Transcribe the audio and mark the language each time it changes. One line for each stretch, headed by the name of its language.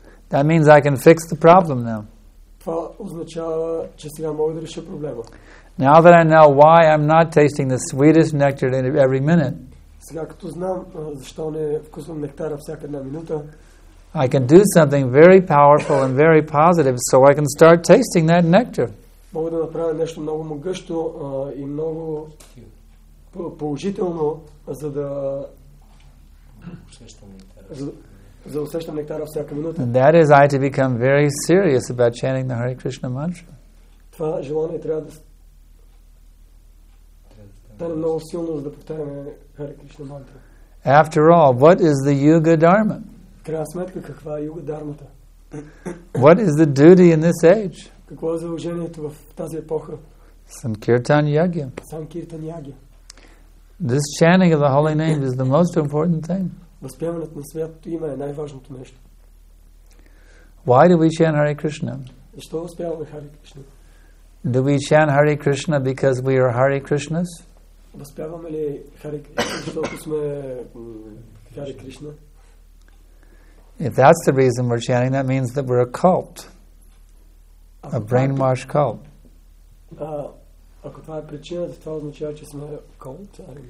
English: That means I can fix the problem now.
Bulgarian: Това означава, че сега мога да реша проблема.
English: Now that I know why I'm not tasting the sweetest nectar in every minute,
Bulgarian: сега като знам защо не вкусвам нектара всяка една минута,
English: I can do something very powerful and very positive, so I can start tasting that nectar.
Bulgarian: Мога да направя нещо много могъщо и много положително, за да усещам нектара всяка минута.
English: And that is I to become very serious about chanting the Hare Krishna mantra.
Bulgarian: Това желание трябва да стане много силно, за да повтаряме Hare Krishna mantra.
English: After all, what is the Yuga Dharma?
Bulgarian: Крайна сметка, каква е юга дармата?
English: What is the duty in this age?
Bulgarian: Какво е задължението в тази епоха? Санкиртан Ягья. Санкиртан Ягья.
English: This chanting of the holy name is the most important thing.
Bulgarian: Възпяването на Святото име е най-важното нещо.
English: Why do we chant Hare Krishna?
Bulgarian: Защо възпяваме Hare Krishna?
English: Do we chant Hare Krishna because we are Hare Krishnas?
Bulgarian: Възпяваме ли Hare Krishna, защото сме Hare Krishna?
English: If that's the reason we're chanting, that means that we're a cult. A brainwashed cult.
Bulgarian: Ако това е причината, това означава, че сме култ.